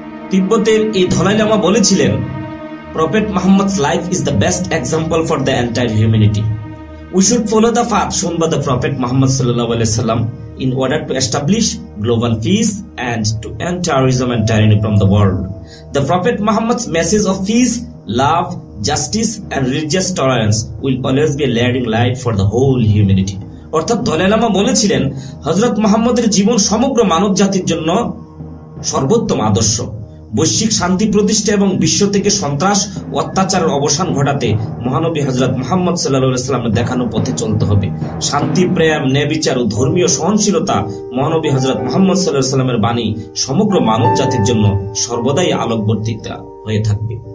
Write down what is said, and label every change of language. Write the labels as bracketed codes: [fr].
[bn] তিব্বতের এই দালাই লামা বলেছিলেন, [en] Prophet Muhammad life is the best example for the entire humanity, we should follow the path shown by the prophet Muhammad সাল্লাল্লাহু আলাইহি সাল্লাম in order to establish global peace and to end terrorism and tyranny from the world. The Prophet Muhammad's message of peace, love, justice and religious tolerance will always be a leading light for the whole humanity. [bn] অর্থাৎ দলাই লামা বলেছিলেন, হযরত মুহাম্মদের জীবন সমগ্র মানব জাতির জন্য সর্বোত্তম আদর্শ, বৈশ্বিক শান্তি প্রতিষ্ঠা এবং বিশ্ব থেকে সন্ত্রাস অত্যাচারের অবসান ঘটাতে মহানবী হযরত মুহাম্মদ সাল্লাল্লাহু আলাইহি সাল্লামের দেখানো পথে চলতে হবে। শান্তি, প্রেম, ন্যায়বিচার ও ধর্মীয় সহনশীলতা মহানবী হযরত মুহাম্মদ সাল্লাল্লাহু আলাইহি সাল্লামের বাণী সমগ্র মানব জাতির জন্য সর্বদাই আলোকবর্তিকা হয়ে থাকবে।